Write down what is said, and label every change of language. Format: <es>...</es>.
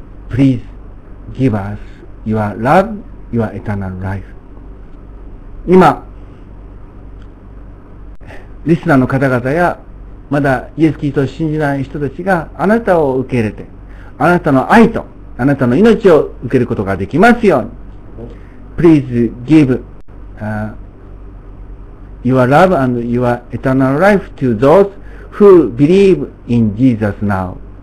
<en>Please give us your love, your eternal life.</en> <ja>今、リスナーの方々や、まだイエス・キリストを信じない人たちがあなたを受け入れて、あなたの愛とあなたの命を受けることができますように。</ja> <en>Please give your love and your eternal life to those who believe in Jesus now.</en>